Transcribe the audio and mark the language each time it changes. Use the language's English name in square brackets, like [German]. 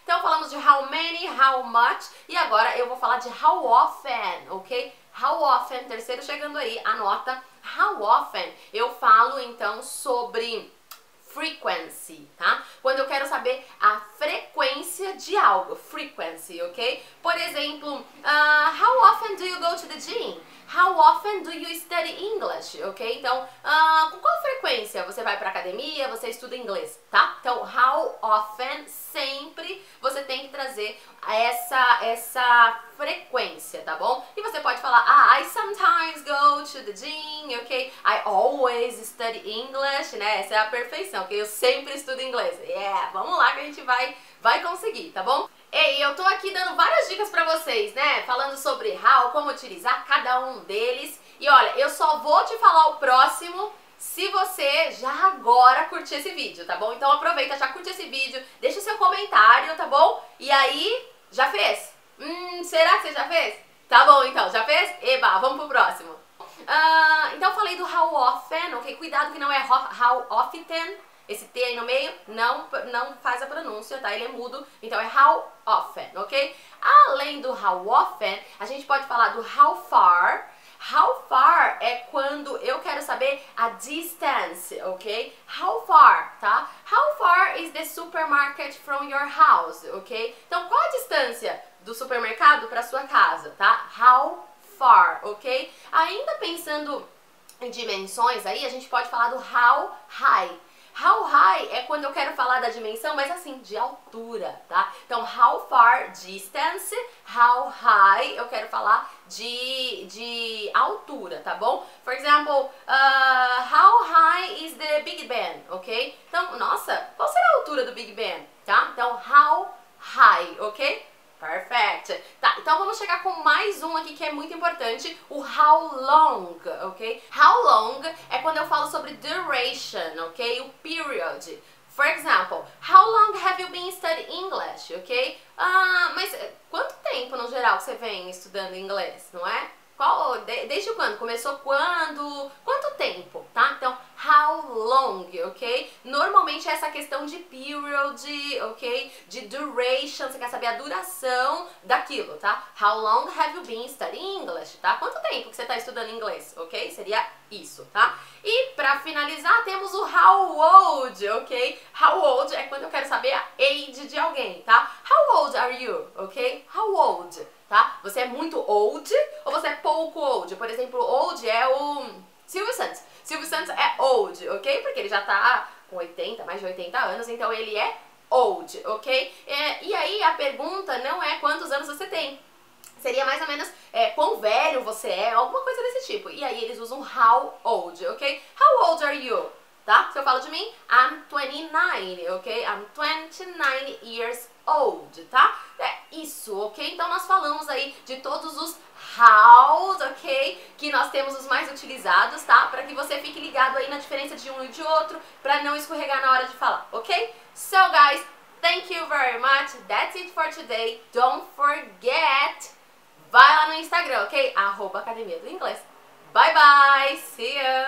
[Portuguese] Então, falamos de how many, how much, e agora eu vou falar de how often, ok? How often, terceiro chegando aí, anota. How often eu falo, então, sobre frequency, tá? Quando eu quero saber a frequência de algo, frequency, ok? Por exemplo, [English] how often do you go to the gym? How often do you study English, ok? [Portuguese] Então, com qual frequência você vai pra academia, você estuda inglês, tá? Então, how often, sempre você tem que trazer essa frequência, tá bom? E você pode falar, ah, [English] I sometimes go to the gym, ok? I always study English, né? [Portuguese] Essa é a perfeição, ok? Eu sempre estudo inglês. Yeah, vamos lá que a gente vai conseguir, tá bom? Ei, eu tô aqui dando várias dicas pra vocês, né? Falando sobre how, como utilizar cada um deles. E olha, eu só vou te falar o próximo se você já agora curtir esse vídeo, tá bom? Então aproveita, já curte esse vídeo, deixa o seu comentário, tá bom? E aí, já fez? Será que você já fez? Tá bom, então, já fez? Eba, vamos pro próximo. Então falei do how often, ok? Cuidado que não é how often. Esse T aí no meio não faz a pronúncia, tá? Ele é mudo. Então é how often, ok? Além do how often, a gente pode falar do how far. How far é quando eu quero saber a distance, ok? How far, tá? [English] How far is the supermarket from your house, ok? [Portuguese] Então qual a distância do supermercado para sua casa, tá? How far, ok? Ainda pensando em dimensões aí, a gente pode falar do how high. How high é quando eu quero falar da dimensão, mas assim, de altura, tá? Então, how far distance, how high, eu quero falar de altura, tá bom? [English] For example, how high is the Big Ben, ok? [Portuguese] Então, nossa, qual será a altura do Big Ben, tá? Então, how high, ok? Perfect. Tá, então vamos chegar com mais um aqui que é muito importante, o how long, ok? How long é quando eu falo sobre duration, ok? O period. [English] For example, how long have you been studying English, ok? [Portuguese] Mas quanto tempo, no geral, que você vem estudando inglês, não é? Desde quando? Começou quando? Quanto tempo, tá? Então, how long, ok? Normalmente é essa questão de period, ok? De duration, você quer saber a duração daquilo, tá? [English] How long have you been studying English, tá? [Portuguese] Quanto tempo que você tá estudando inglês, ok? Seria isso, tá? E pra finalizar, temos o how old, ok? How old é quando eu quero saber a age de alguém, tá? [English] How old are you, [Portuguese] ok? How old, tá? Você é muito old ou você é pouco old? Por exemplo, old é o Silvio Santos. Silvio Santos é old, ok? Porque ele já tá com 80, mais de 80 anos, então ele é old, ok? E aí a pergunta não é quantos anos você tem. Seria mais ou menos quão velho você é, alguma coisa desse tipo. E aí eles usam how old, ok? [English] How old are you? [Portuguese] Tá? Se eu falo de mim, [English] I'm 29, ok? I'm 29 years old, tá? [Portuguese] É isso, ok? Então nós falamos aí de todos os hows, ok? Que nós temos os mais utilizados, tá? Pra que você fique ligado aí na diferença de um e de outro, pra não escorregar na hora de falar, ok? [English] So, guys, thank you very much. That's it for today. Don't forget, [Portuguese] vai lá no Instagram, [English] ok? @academia do inglês. Bye, bye! See ya!